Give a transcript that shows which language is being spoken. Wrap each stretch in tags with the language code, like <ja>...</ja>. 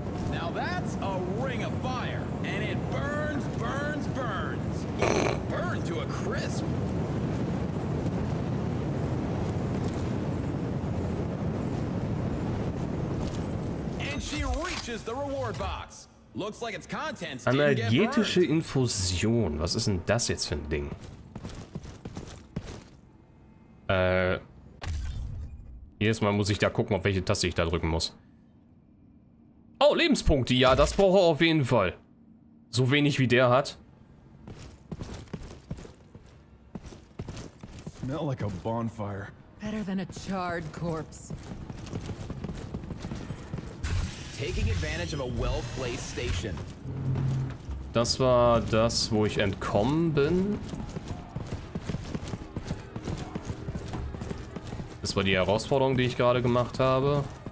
<en>Now that's a ring of fire, and it burns, burns, burns. Burn to a crisp. And she reaches the reward box. Looks like its contents didn't get burned.</en> <de>Analgetische Infusion. Was ist denn das jetzt für ein Ding? Jedes Mal muss ich da gucken, auf welche Taste ich da drücken muss. Oh, Lebenspunkte. Ja, das brauche ich auf jeden Fall. So wenig wie der hat.</de> <en>Smell like a bonfire. Better than a charred corpse. Taking advantage of a well-placed station.</en> <de>Das war das, wo ich entkommen bin. Das war die Herausforderung, die ich gerade gemacht habe.</de>